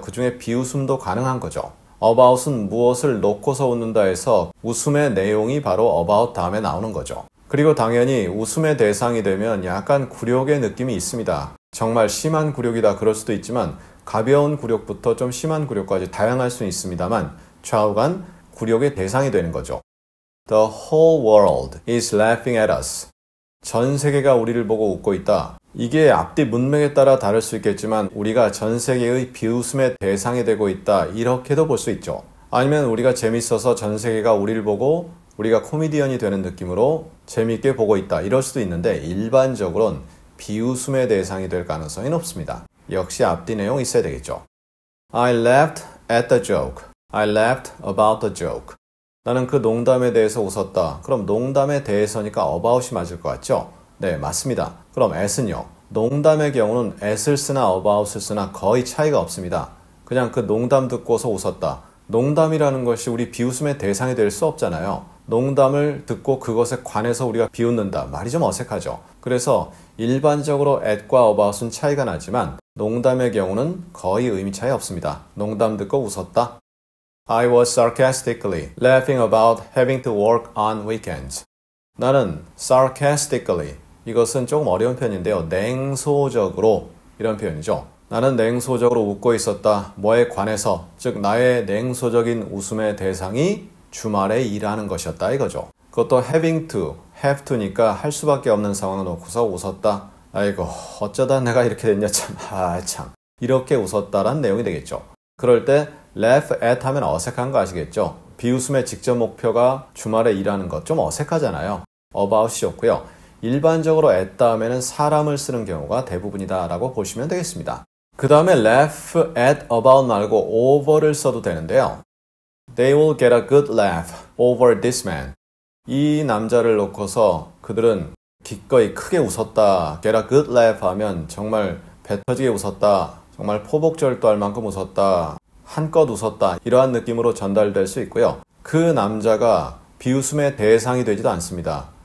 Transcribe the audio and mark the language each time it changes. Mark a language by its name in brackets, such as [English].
[Korean] 그 중에 비웃음도 가능한 거죠. about은 무엇을 놓고서 웃는다 해서 웃음의 내용이 바로 about 다음에 나오는 거죠. 그리고 당연히 웃음의 대상이 되면 약간 굴욕의 느낌이 있습니다. 정말 심한 굴욕이다 그럴 수도 있지만 가벼운 굴욕부터 좀 심한 굴욕까지 다양할 수는 있습니다만 좌우간 굴욕의 대상이 되는 거죠. [English] The whole world is laughing at us. [Korean] 전 세계가 우리를 보고 웃고 있다. 이게 앞뒤 문맥에 따라 다를 수 있겠지만 우리가 전 세계의 비웃음의 대상이 되고 있다 이렇게도 볼 수 있죠. 아니면 우리가 재밌어서 전 세계가 우리를 보고 우리가 코미디언이 되는 느낌으로 재밌게 보고 있다 이럴 수도 있는데 일반적으로는 비웃음의 대상이 될 가능성이 높습니다. 역시 앞뒤 내용이 있어야 되겠죠. [English] I laughed at the joke. I laughed about the joke. [Korean] 나는 그 농담에 대해서 웃었다. 그럼 농담에 대해서니까 about이 맞을 것 같죠? 네, 맞습니다. 그럼 at은요? 농담의 경우는 at을 쓰나 about을 쓰나 거의 차이가 없습니다. 그냥 그 농담 듣고서 웃었다. 농담이라는 것이 우리 비웃음의 대상이 될 수 없잖아요. 농담을 듣고 그것에 관해서 우리가 비웃는다. 말이 좀 어색하죠. 그래서 일반적으로 at과 about은 차이가 나지만 농담의 경우는 거의 의미 차이 없습니다. 농담 듣고 웃었다. [English] I was sarcastically laughing about having to work on weekends. [Korean] 나는 sarcastically, 이것은 조금 어려운 표현인데요. 냉소적으로 이런 표현이죠. 나는 냉소적으로 웃고 있었다. 뭐에 관해서, 즉 나의 냉소적인 웃음의 대상이 주말에 일하는 것이었다 이거죠. 그것도 having to, have to니까 할 수밖에 없는 상황을 놓고서 웃었다. 아이고 어쩌다 내가 이렇게 됐냐 참. 아 참. 이렇게 웃었다라는 내용이 되겠죠. 그럴 때 laugh at 하면 어색한 거 아시겠죠? 비웃음의 직접 목표가 주말에 일하는 것 좀 어색하잖아요. about이 좋고요. 일반적으로 at 다음에는 사람을 쓰는 경우가 대부분이다 라고 보시면 되겠습니다. 그 다음에 laugh at about 말고 over를 써도 되는데요. [English] They will get a good laugh over this man. [Korean] 이 남자를 놓고서 그들은 기꺼이 크게 웃었다. Get a good laugh 하면 정말 배터지게 웃었다. 정말 포복절도할 만큼 웃었다. 한껏 웃었다. 이러한 느낌으로 전달될 수 있고요. 그 남자가 비웃음의 대상이 되지도 않습니다.